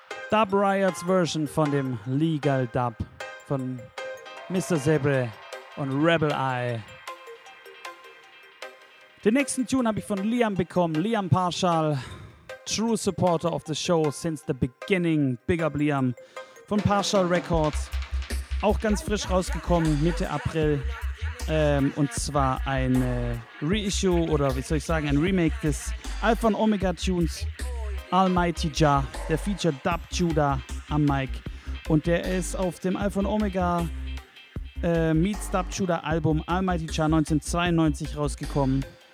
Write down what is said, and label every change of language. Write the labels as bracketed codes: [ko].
[de] Dub Riots Version von dem Legal Dub von Mr. Zebre und Rebel Eye. Den nächsten Tune habe ich von Liam bekommen. [en] Liam Parshall, true supporter of the show since the beginning. Big up [de] Liam von Parshall Records. Auch ganz frisch rausgekommen, Mitte April. Und zwar ein Reissue oder wie soll ich sagen, ein Remake des Alpha und Omega Tunes Almighty Jah. Der featured Dub Judah am Mic. Und der ist auf dem Alpha und Omega Meets Dub Judah Album Almighty Jah 1992 rausgekommen.